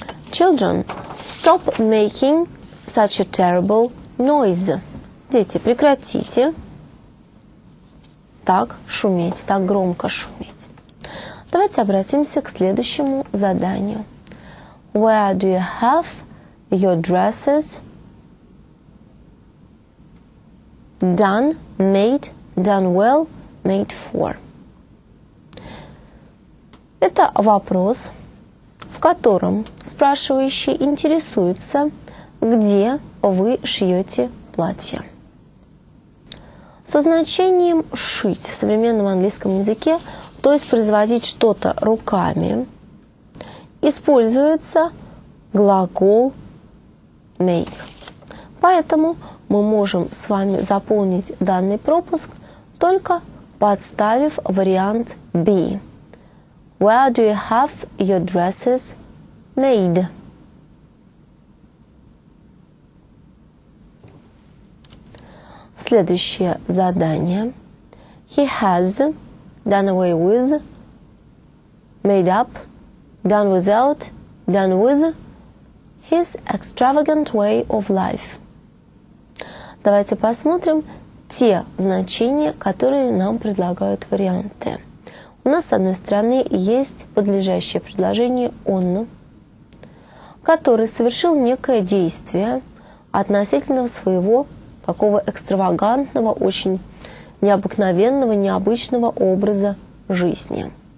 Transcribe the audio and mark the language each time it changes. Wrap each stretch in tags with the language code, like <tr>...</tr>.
<en>Children, stop making such a terrible noise.</en> <ru>Дети, прекратите так шуметь, так громко шуметь. Давайте обратимся к следующему заданию.</ru> <en>Where do you have your dresses done, made, done well, made for?</en> <ru>Это вопрос, в котором спрашивающий интересуется, где вы шьете платье. Со значением «шить» в современном английском языке, то есть производить что-то руками, используется глагол make. Поэтому мы можем с вами заполнить данный пропуск, только подставив вариант B.</ru> <en>Where do you have your dresses made?</en> <ru>Следующее задание.</ru> <en>He has done away with, made up, done without, done with his extravagant way of life.</en> <ru>Давайте посмотрим те значения, которые нам предлагают варианты. У нас, с одной стороны, есть подлежащее предложение он, который совершил некое действие относительно своего такого экстравагантного, очень необыкновенного, необычного образа жизни.</ru>